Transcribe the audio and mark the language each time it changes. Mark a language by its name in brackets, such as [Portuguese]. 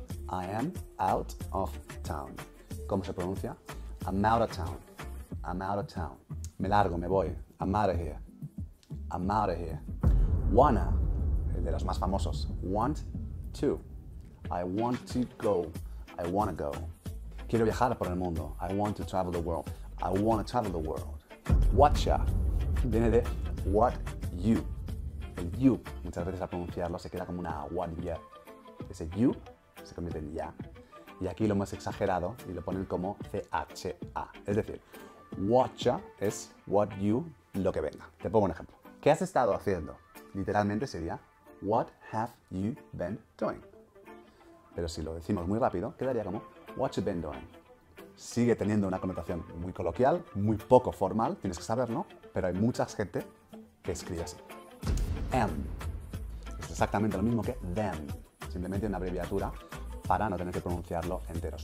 [English] I am out of town. [Spanish] ¿Cómo se pronuncia? [English] I'm out of town. I'm out of town. [Spanish] Me largo, me voy. [English] I'm out of here. I'm out of here. [Spanish] Wanna, el de los más famosos. Want to. [English] I want to go. I wanna go. [Spanish] Quiero viajar por el mundo. [English] I want to travel the world. I wanna travel the world. Whatcha, [Spanish] viene de [English] what you. [Spanish] El you, muchas veces al pronunciarlo se queda como una what ya. Ese you se convierte en ya. Y aquí lo hemos exagerado y lo ponen como CHA. Es decir, whatcha es what you, lo que venga. Te pongo un ejemplo. ¿Qué has estado haciendo? Literalmente sería [English] what have you been doing. [Spanish] Pero si lo decimos muy rápido, quedaría como [English] what you been doing. [Spanish] Sigue teniendo una connotación muy coloquial, muy poco formal, tienes que saberlo, pero hay mucha gente que escribe así. Am. Es exactamente lo mismo que them. Simplemente una abreviatura para no tener que pronunciarlo entero.